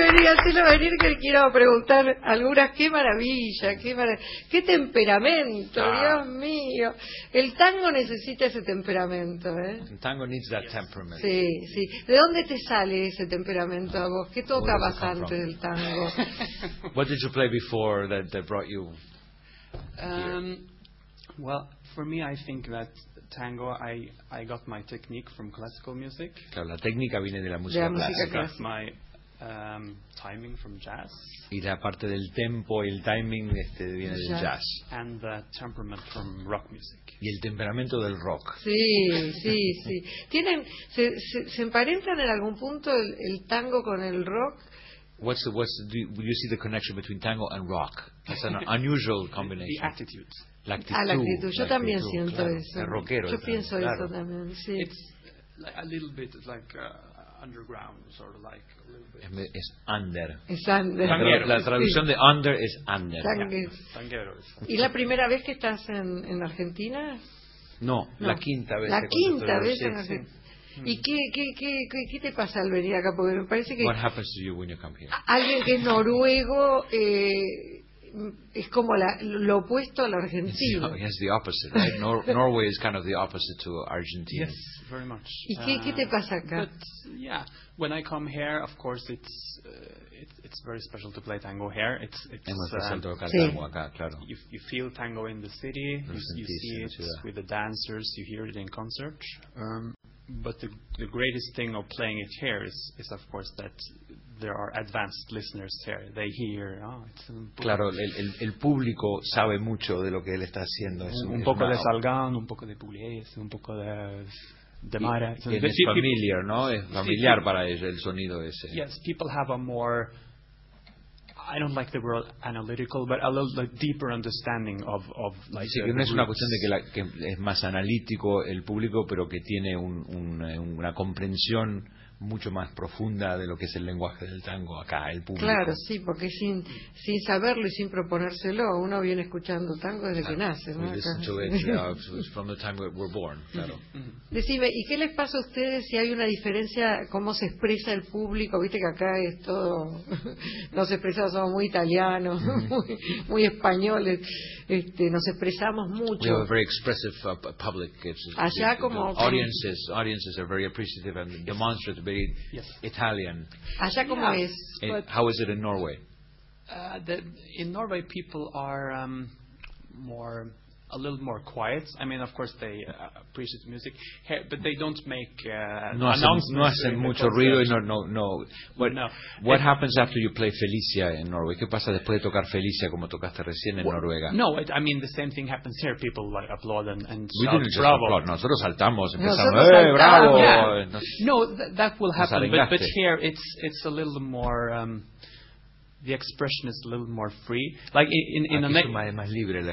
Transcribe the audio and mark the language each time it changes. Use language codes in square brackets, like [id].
[es] hacerlo venir que quiero preguntar algunas. ¡Qué maravilla! ¡Qué maravilla! ¡Qué temperamento! Ah. ¡Dios mío! El tango necesita ese temperamento, ¿eh? El [en] tango needs that temperament. [es] Sí, sí. ¿De dónde te sale ese temperamento a vos? ¿Qué tocabas antes del tango? [en] What did you play before that brought you Well, for me, I think that tango, I got my technique from classical music. [es] Claro, la técnica viene de la música clásica. [en] I got my timing from jazz. [es] Y la parte del tempo, el timing, viene del jazz. [en] And the temperament from rock music. [es] Y el temperamento del rock. Sí, sí, sí. ¿Tienen, se emparentan en algún punto el tango con el rock? [en] Do you see the connection between tango and rock? That's an unusual combination. The attitude. [es] La actitud. Yo también siento eso. El rockero. Yo pienso eso también, sí. [en] It's like a little bit like underground, sort of like a little bit. [es] Es under. Es under. La traducción de under es under. Tanguero. ¿Y la primera vez que estás en Argentina? No, la quinta vez. La quinta vez en Argentina. ¿Y qué te pasa al venir acá? Porque me parece que... [en] What happens to you when you come here? [es] Alguien que es noruego es como lo opuesto al argentino. [en] Yes, the opposite, right? Norway is kind of the opposite to Argentina. Yes, very much. [es] ¿Y qué te pasa acá? [en] But, yeah, when I come here, of course, it's very special to play tango here. Es muy especial tocar tango acá, claro. You feel tango in the city, you see it with the dancers, you hear it in concert. But the greatest thing of playing it here is of course that there are advanced listeners here. They hear. Oh, it's [es] claro, el público sabe mucho de lo que él está haciendo. Un poco de Salgan, un poco de Pugliese, un poco de Mara. Es familiar, ¿no? Es familiar para ellos el sonido ese. [en] Yes, people have a more. I don't like the word analytical, but a little like deeper understanding of like. [es] Sí, no es una cuestión de que es más analítico el público, pero que tiene una comprensión mucho más profunda de lo que es el lenguaje del tango acá, el público. Claro, sí, porque sin saberlo y sin proponérselo, uno viene escuchando tango desde que nace, ¿no? [en] We listen to it, from the time we're born, claro. [es] Decime, ¿y qué les pasa a ustedes si hay una diferencia, cómo se expresa el público? Viste que acá es todo, nos expresamos, somos muy italianos, muy españoles, nos expresamos mucho. [en] We have a very expressive public. [es] Allá como... [en] Audiences are very appreciative and demonstrative. To be Italian. [es] Allá como es. [en] How is it in Norway? In Norway, people are a little more quiet. I mean, of course, they appreciate music, but they don't make [es] no hacen mucho ruido. No. [en] What happens after you play Felicia in Norway? [es] ¿Qué pasa después de tocar Felicia como tocaste recién en Noruega? [en] No, I mean the same thing happens here. People like applaud and we shout didn't bravo. Just applaud. [es] Nosotros saltamos, empezamos, ¡eh, bravo! [en] Yeah. That will happen, but here it's a little more. The expression is a little more free. Like [es] más libre la